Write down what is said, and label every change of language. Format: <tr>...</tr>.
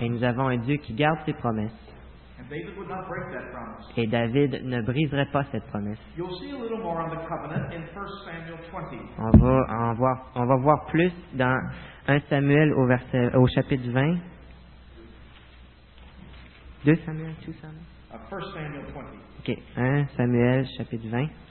<fr>Et nous avons un Dieu qui garde ses promesses.</fr> <en>And David would not break that promise.</en> <fr>Et David ne briserait pas cette promesse.</fr> <en>You'll see a little more on the covenant in 1 Samuel 20.</en> <fr>On va voir plus dans 1 Samuel au chapitre 20.</fr> <en>2 Samuel, 2 Samuel. 1 Samuel 20.</en> <fr>OK, 1 Samuel chapitre 20.</fr>